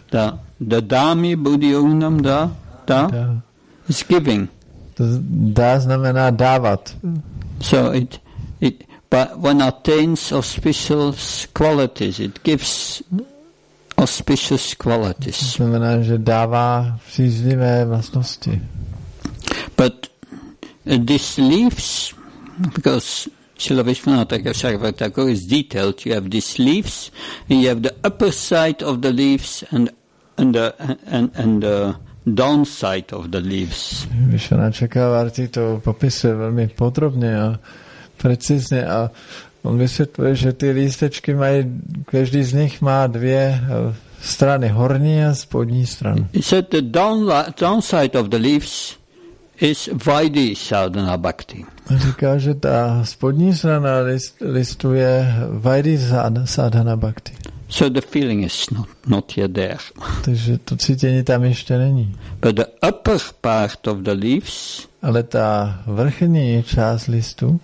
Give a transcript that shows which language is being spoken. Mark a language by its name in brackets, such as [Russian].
[English] Da. The Dami Budi Ognam Da? Da? It's giving. [Czech] Da znamená dávat. [English] So it but one attains auspicious qualities, it gives auspicious qualities. [Czech] To znamená, že dává příznivé vlastnosti. [English] But these leaves, because Srila Vishvanatha Gosarva Thakur is detailed, you have these leaves, and you have the upper side of the leaves and the downside of the leaves. [Czech] Vishvanatha Gosarva to popisuje velmi podrobně a precizně a on vysvětluje, že ty lístečky mají, každý z nich má dvě strany, horní a spodní stranu. [English] He said the downside of the leaves is Vaidhi Sadhana Bhakti. [Czech] Říká, že ta spodní strana listu je Vaidhi Sadhana Bhakti. [English] So the feeling is not yet there. [Czech] Takže to cítění tam ještě není. [English] But the upper part of the leaves, [Czech] ale ta vrchní část listu,